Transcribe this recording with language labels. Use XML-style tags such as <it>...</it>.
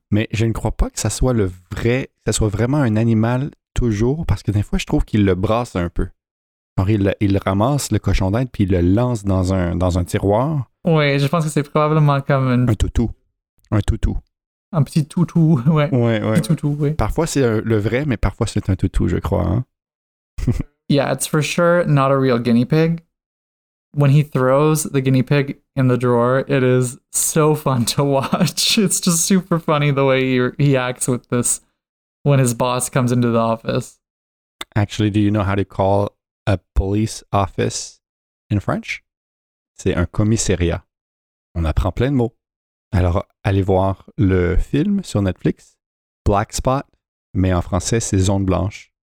<fr>Mais je ne crois pas que ça soit le vrai, que ça soit vraiment un animal toujours, parce que des fois, je trouve qu'il le brasse un peu. Alors, il ramasse le cochon d'Inde puis il le lance dans un tiroir. Oui, je pense que c'est probablement comme un toutou. Un toutou. Un petit toutou, ouais. Ouais, ouais. Petit toutou, ouais. Parfois, c'est le vrai, mais parfois, c'est un toutou, je crois. Hein?</fr> <en>Yeah, it's for sure not a real guinea pig. When he throws the guinea pig in the drawer, it is so fun to watch. It's just super funny the way he acts with this when his boss comes into the office. Actually, do you know how to call a police office in French?</en> <fr>C'est un commissariat. On apprend plein de mots. Alors, allez voir le film sur Netflix, Black Spot, mais en français, c'est Zone Blanche.</fr>